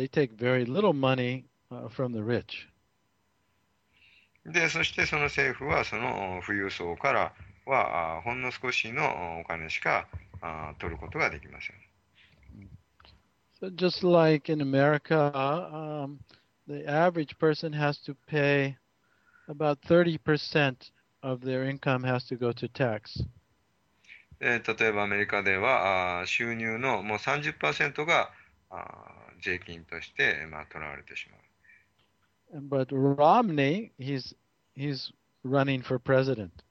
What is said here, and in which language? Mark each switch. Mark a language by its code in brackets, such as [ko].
[en] they take very little money from the rich. [ja] で、そしてその政府はその富裕層からはほんの少しのお金しか取ることができません。So [en] just like in America, the average person has to pay about 30% of their income has to go to tax. [ja] 例えばアメリカでは収入のもう 30% が税金として取られてしまう。 [en] But Romney, He's running for president.